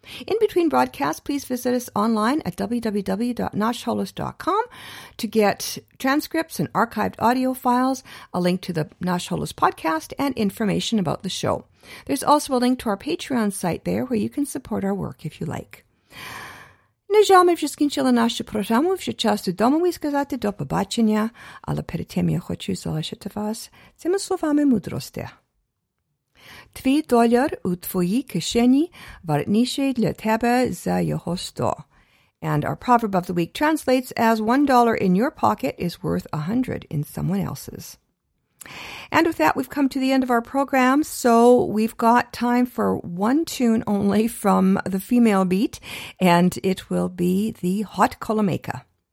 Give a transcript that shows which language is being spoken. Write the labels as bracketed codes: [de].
[en] In between broadcasts, please visit us online at www.nashholos.com to get transcripts and archived audio files, a link to the Nash Holos podcast, and information about the show. There's also a link to our Patreon site there where you can support our work if you like. [uk] На жаль, ми вже скінчили нашу програму, вже час додому і сказати до побачення, але перед тим я хочу залишити вас цими словами мудрості. Твій долар у твоїй кишені вартніший для тебе за його 100. [en] And our proverb of the week translates as $1 in your pocket is worth 100 in someone else's. And with that, we've come to the end of our program, so we've got time for one tune only from the female beat, and it will be the Hot Kolomeka.